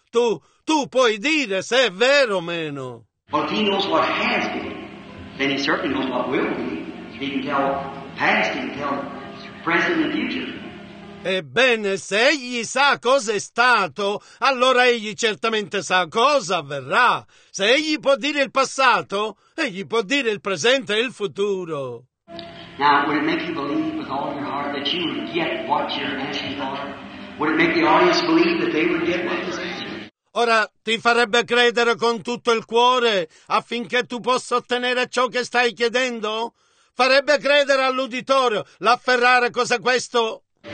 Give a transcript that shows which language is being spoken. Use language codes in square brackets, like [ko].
[it] Tu puoi dire se è vero o meno. [en] But he knows what has been, then he certainly knows what will be. He can tell past, he can tell present and future. [it] Ebbene, se egli sa cosa è stato, allora egli certamente sa cosa avverrà. Se egli può dire il passato, egli può dire il presente e il futuro. [en] Now, would it make you believe with all your heart that you would get what you're asking for? Would it make the audience believe that they would get what they're asking? [it] Ora, ti farebbe credere con tutto il cuore affinché tu possa ottenere ciò che stai chiedendo? Farebbe credere all'uditorio, l'afferrare cosa questo?